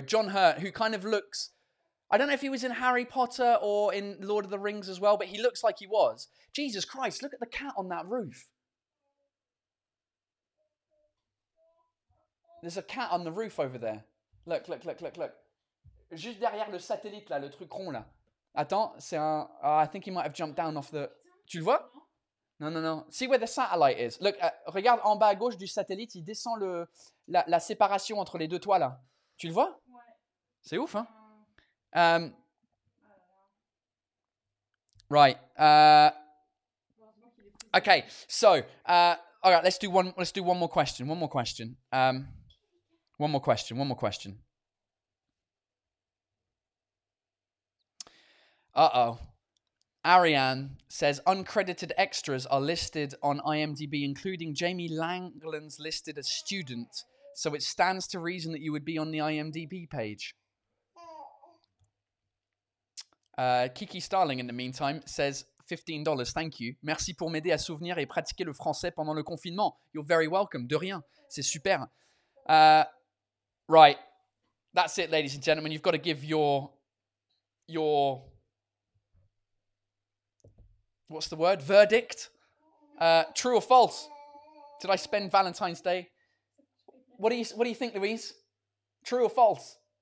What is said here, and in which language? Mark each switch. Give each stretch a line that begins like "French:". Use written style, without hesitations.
English: John Hurt, who kind of looks... I don't know if he was in Harry Potter or in Lord of the Rings as well, but he looks like he was. Jesus Christ, look at the cat on that roof. There's a cat on the roof over there. Look, look, look, look, look.
French: Juste derrière le satellite, là, le truc rond, là. Attends, c'est un...
English: I think he might have jumped down off the...
French: Tu le vois? Non, non, non.
English: See where the satellite is.
French: Look, regarde en bas à gauche du satellite, il descend le, la séparation entre les deux toits, là. Tu le vois? Ouais. C'est ouf, hein?
English: Right. Okay, so... all right, let's do one more question. One more question. One more question. One more question. Uh-oh. Ariane says, uncredited extras are listed on IMDb, including Jamie Langland's listed as student, so it stands to reason that you would be on the IMDb page. Kiki Starling, in the meantime, says, $15, thank you.
French: Merci pour m'aider à souvenir et pratiquer le français pendant le confinement.
English: You're very welcome.
French: De rien. C'est super.
English: Right. That's it, ladies and gentlemen. You've got to give your... What's the word? Verdict? True or false? Did I spend Valentine's Day? What do you think, Louise? True or false?